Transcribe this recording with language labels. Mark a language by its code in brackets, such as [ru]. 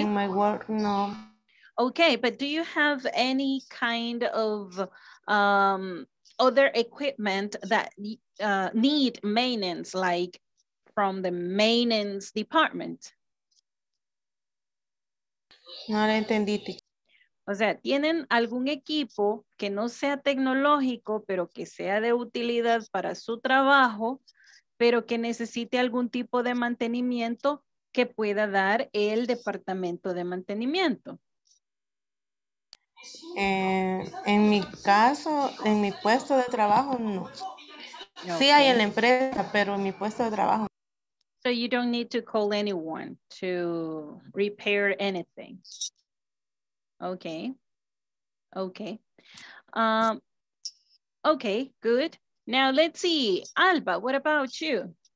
[en] In my work, no. Okay, but do you have any kind of other equipment that need maintenance, like from the maintenance department? [es] No lo entendiste. O sea, ¿tienen algún equipo que no sea tecnológico, pero que sea de utilidad para su trabajo, pero que necesite algún tipo de mantenimiento que pueda dar el departamento de mantenimiento? En mi caso, en mi puesto de trabajo, no. Okay. Sí hay en la empresa, pero en mi puesto de trabajo. [en] So you don't need to call anyone to repair anything. Okay. Okay, good. Now let's see, Alba, what about you?